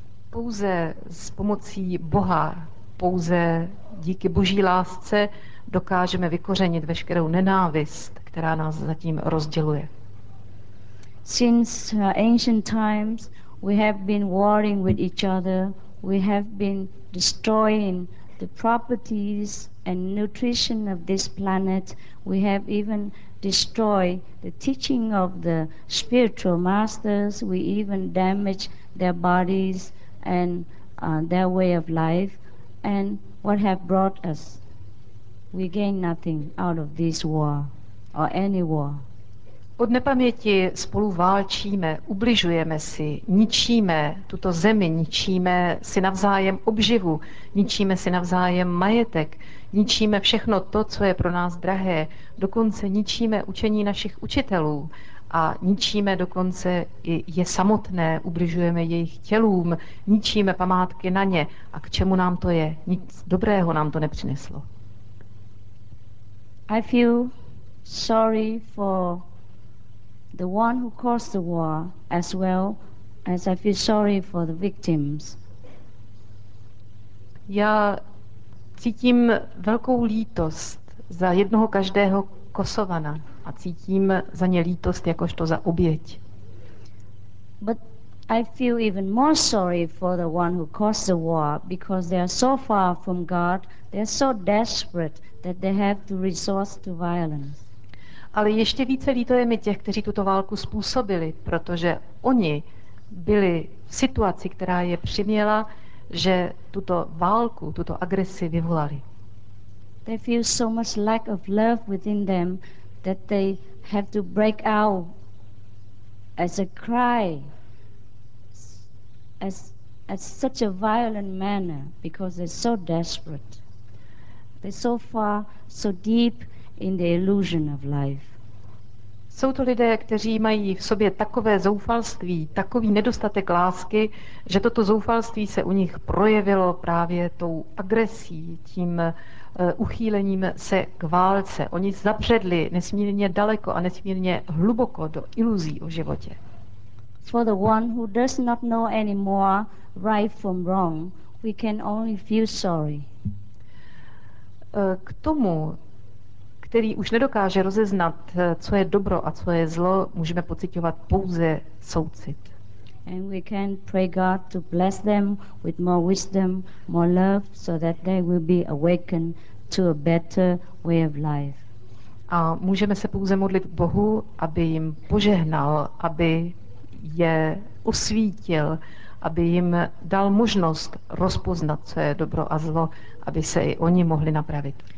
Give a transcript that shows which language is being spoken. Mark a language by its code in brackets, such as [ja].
[cs] Pouze s pomocí Boha, pouze díky Boží lásce dokážeme vykořenit veškerou nenávist, která nás zatím rozděluje. [en] Since ancient times we have been warring with each other, we have been destroying the properties and nutrition of this planet, we have even destroyed the teaching of the spiritual masters, we even damaged their bodies and their way of life, and what have brought us? We gain nothing out of this war or any war. [cs] Od nepaměti spolu válčíme, ubližujeme si, ničíme tuto zemi, ničíme si navzájem obživu, ničíme si navzájem majetek, ničíme všechno to, co je pro nás drahé, dokonce ničíme učení našich učitelů a ničíme dokonce i je samotné, ubližujeme jejich tělům, ničíme památky na ně. A k čemu nám to je? Nic dobrého nám to nepřineslo. [en] I feel sorry for the one who caused the war, as well as I feel sorry for the victims. [cs] Já cítím velkou lítost za jednoho každého Kosovana a cítím za ně lítost jakožto za oběť. [en] But I feel even more sorry for the one who caused the war, because they are so far from God, they are so desperate that they have to resort to violence. [cs] Ale ještě více lítuje mi těch, kteří tuto válku způsobili, protože oni byli v situaci, která je přiměla, že tuto válku, tuto agresi vyvolali. [en] They feel so much lack of love within them that they have to break out as a cry, as such a violent manner, because they're so desperate. They're so far, so deep in the illusion of life. [cs] Jsou to lidé, kteří mají v sobě takové zoufalství, takový nedostatek lásky, že toto zoufalství se u nich projevilo právě tou agresí, tím uchýlením se k válce. Oni zapředli nesmírně daleko a nesmírně hluboko do iluzí o životě. [en] For the one who does not know anymore right from wrong, we can only feel sorry. [cs] K tomu, který už nedokáže rozeznat, co je dobro a co je zlo, můžeme pociťovat pouze soucit. [en] And we can pray God to bless them with more wisdom, more love, so that they will be awakened to a better way of life. [cs] A můžeme se pouze modlit Bohu, aby jim požehnal, aby je osvítil, aby jim dal možnost rozpoznat, co je dobro a zlo, aby se i oni mohli napravit.